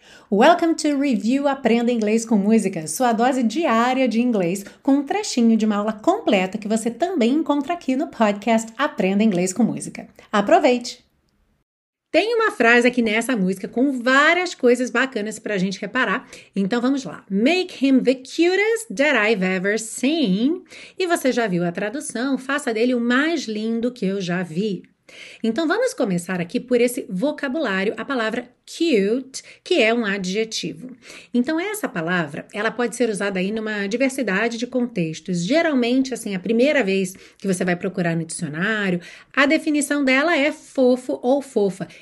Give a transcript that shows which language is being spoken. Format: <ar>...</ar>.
<en>Welcome to</en> <pt>Review Aprenda Inglês com Música, sua dose diária de inglês, com um trechinho de uma aula completa que você também encontra aqui no podcast Aprenda Inglês com Música. Aproveite! Tem uma frase aqui nessa música com várias coisas bacanas para a gente reparar. Então vamos lá.</pt> <en>Make him the cutest that I've ever seen.</en> <pt>E você já viu a tradução? Faça dele o mais lindo que eu já vi. Então vamos começar aqui por esse vocabulário, a palavra cute, que é um adjetivo. Então essa palavra, ela pode ser usada aí numa diversidade de contextos. Geralmente, assim, a primeira vez que você vai procurar no dicionário, a definição dela é fofo ou fofa.</pt>